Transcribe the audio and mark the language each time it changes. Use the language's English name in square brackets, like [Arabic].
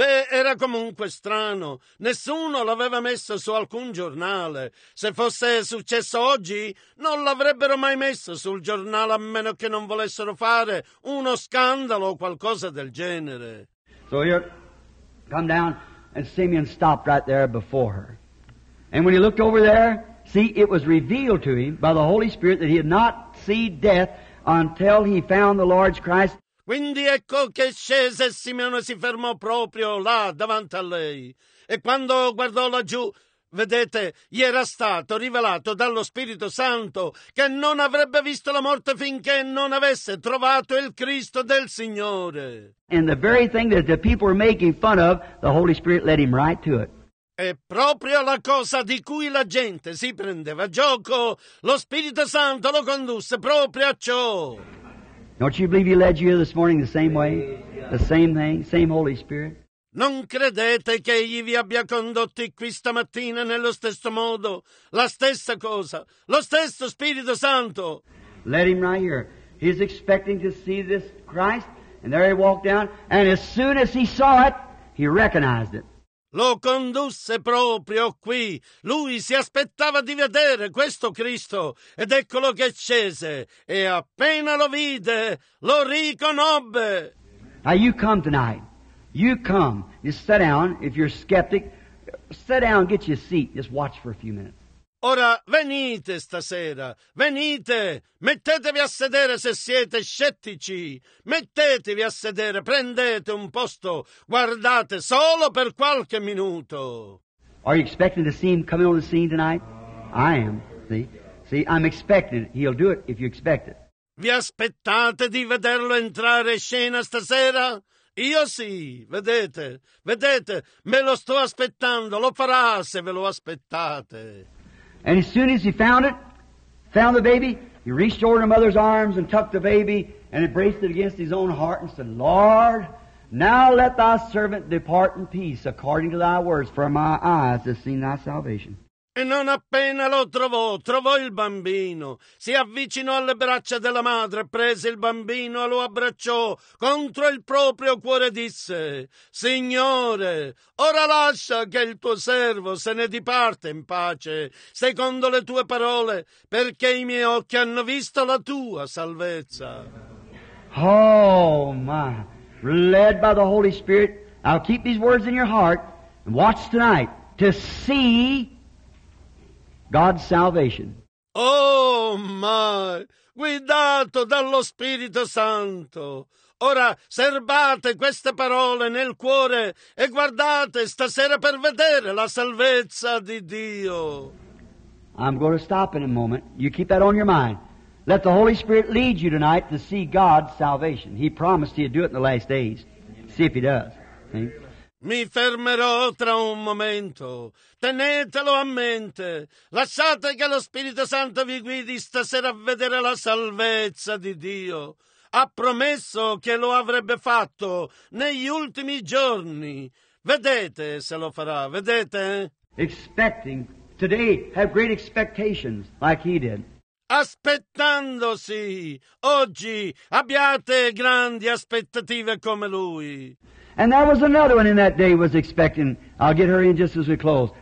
[Italian] Era comunque strano. Nessuno l'aveva messo su alcun giornale. Se fosse successo oggi, non l'avrebbero mai messo sul giornale, a meno che non volessero fare uno scandalo o qualcosa del genere. [English] So here, come down, and Simeon stopped right there before her. And when he looked over there, see, it was revealed to him by the Holy Spirit that he had not seen death until he found the Lord Christ. [Italian] Quindi ecco che scese e Simeone si fermò proprio là davanti a lei. E quando guardò laggiù, vedete, gli era stato rivelato dallo Spirito Santo che non avrebbe visto la morte finché non avesse trovato il Cristo del Signore. [English] And the very thing that the people were making fun of, the Holy Spirit led him right to it. [Italian] È proprio la cosa di cui la gente si prendeva gioco. Lo Spirito Santo lo condusse proprio a ciò. [English] Don't you believe he led you this morning the same way? The same thing, same Holy Spirit? [Italian] Non credete che egli vi abbia condotti qui stamattina nello stesso modo? La stessa cosa, lo stesso Spirito Santo. [English] Let him right here. He's expecting to see this Christ, and there he walked down, and as soon as he saw it, he recognized it. [Italian] Lo condusse proprio qui. Lui si aspettava di vedere questo Cristo, ed eccolo che scese, e appena lo vide, lo riconobbe. [English] Now you come tonight. You come. You sit down. If you're a skeptic, sit down, get you a seat. Just watch for a few minutes. [Italian] Ora venite stasera, venite, mettetevi a sedere se siete scettici, mettetevi a sedere, prendete un posto, guardate solo per qualche minuto. [English] Are you expecting to see him coming on the scene tonight? I am, see? See, I'm expecting it. He'll do it if you expect it. [Italian] Vi aspettate di vederlo entrare in scena stasera? Io sì, vedete, vedete, me lo sto aspettando, lo farà se ve lo aspettate. [English] And as soon as he found it, found the baby, he reached over to mother's arms and tucked the baby and embraced it against his own heart and said, Lord, now let thy servant depart in peace according to thy words, for my eyes have seen thy salvation. [Italian] E non appena lo trovò, trovò il bambino, si avvicinò alle braccia della madre, prese il bambino e lo abbracciò, contro il proprio cuore disse, Signore, ora lascia che il tuo servo se ne diparte in pace, secondo le tue parole, perché i miei occhi hanno visto la tua salvezza. [English] Oh, my, led by the Holy Spirit, I'll keep these words in your heart, and watch tonight to see God's salvation. Oh, my! [Italian] Guidato dallo Spirito Santo. Ora serbate queste parole nel cuore e guardate stasera per vedere la salvezza di Dio. [English] I'm going to stop in a moment. You keep that on your mind. Let the Holy Spirit lead you tonight to see God's salvation. He promised he'd do it in the last days. See if he does. See? [Italian] Mi fermerò tra un momento. Tenetelo a mente. Lasciate che lo Spirito Santo vi guidi stasera a vedere la salvezza di Dio. Ha promesso che lo avrebbe fatto negli ultimi giorni. Vedete se lo farà, vedete? [English] Expecting today, have great expectations like he did. [Italian] Aspettandosi oggi, abbiate grandi aspettative come lui. [English] And that was another one in that day was expecting. I'll get her in just as we close.